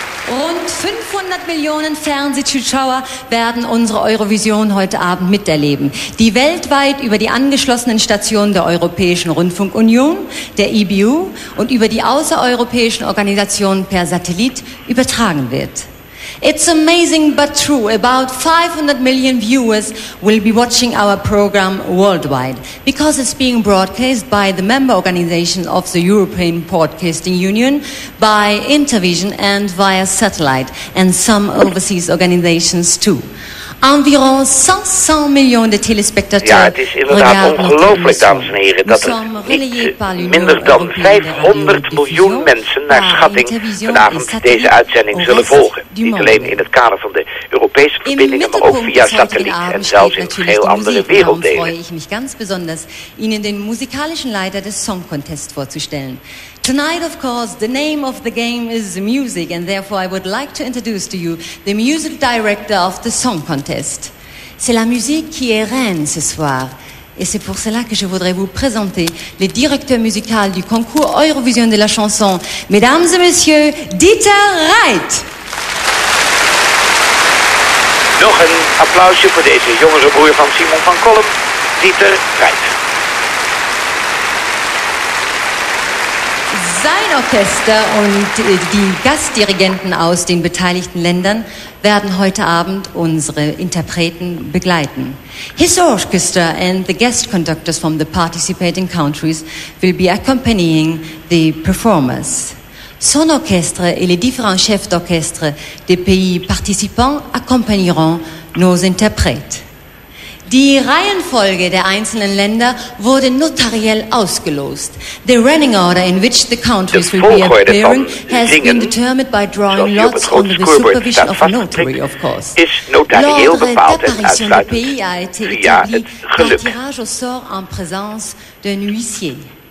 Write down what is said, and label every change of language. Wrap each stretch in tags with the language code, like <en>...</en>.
<de>Rund 500 Millionen Fernsehzuschauer werden unsere Eurovision heute Abend miterleben, die weltweit über die angeschlossenen Stationen der Europäischen Rundfunkunion, der EBU und über die außereuropäischen Organisationen per Satellit übertragen wird.</de> <en>It's amazing but true, about 500 million viewers will be watching our program worldwide because it's being broadcast by the member organization of the European Broadcasting Union, by Intervision and via satellite, and some overseas organizations too.</en> <fr>Environ 500 millions de téléspectateurs.</fr> <nl>Ja, het is inderdaad ongelooflijk, dames en heren, dat er niet minder dan 500 miljoen mensen naar schatting vanavond deze uitzending zullen volgen. Niet alleen in het kader van de Europese verbindingen, maar ook via satelliet en zelfs in heel andere werelddelen.</nl> <de>Daarom freue ich mich ganz besonders, Ihnen den musikalischen Leiter des Song Contest vorzustellen.</de> <en>Tonight, of course, the name of the game is music, and therefore I would like to introduce to you the music director of the Song Contest.</en> <fr>C'est la musique qui est reine ce soir, et c'est pour cela que je voudrais vous présenter le directeur musical du concours Eurovision de la chanson, mesdames et messieurs, Dieter Reit.</fr> <nl>Nog een applausje voor deze jongere broer van Simon van Kolm, Dieter Reit.</nl> <de>Sein Orchester und die Gastdirigenten aus den beteiligten Ländern werden heute Abend unsere Interpreten begleiten.</de> <en>His orchestra and the guest conductors from the participating countries will be accompanying the performers.</en> <fr>Son orchestre et les différents chefs d'orchestre des pays participants accompagneront nos interprètes.</fr> <de>Die Reihenfolge der einzelnen Länder wurde notariell ausgelost.</de> <en>The running order in which the countries will be appearing has been determined by drawing lots under the supervision of a notary, of course.</en> <fr>L'ordre d'apparition du pays a été établi par tirage au sort en présence d'un huissier.</fr>